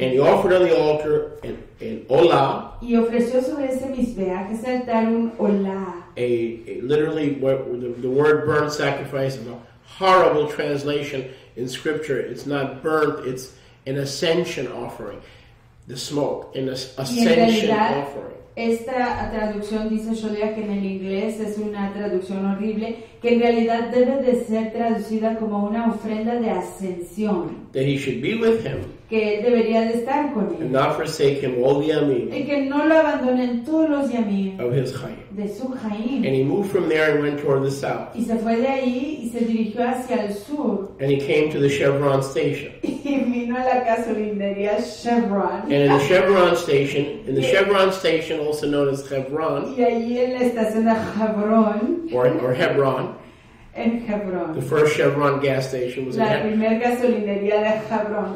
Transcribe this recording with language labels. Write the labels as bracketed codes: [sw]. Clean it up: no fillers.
[en] And he offered on the altar an hola. [es] Y ofreció sobre ese misbeach, ese altar, un hola. [en] Literally, the word burnt sacrifice is a horrible translation in scripture. It's not burnt, it's an ascension offering. The smoke, an ascension offering. [es] Esta traducción dice Sholia que en el inglés es una traducción horrible, que en realidad debe de ser traducida como una ofrenda de ascensión. [en] That he should be with him. [es] Que él debería de estar con él. [en] And not forsake him all the yamim. [es] Y que no lo abandonen todos los yamim. [en] Of his chayim. [es] De su chayim. [en] And he moved from there and went toward the south. [es] Y se fue de ahí y se dirigió hacia el sur. [en] And he came to the Chevron station. [es] Vino a la gasolinería Chevron. [en] And in the Chevron station, in the Chevron station, also known as Hebron. [es] Y ahí en la estación de Hebron. [en] Or Hebron. [es] En Hebron. [en] The first Chevron gas station was [es] la primera gasolinería de Hebron.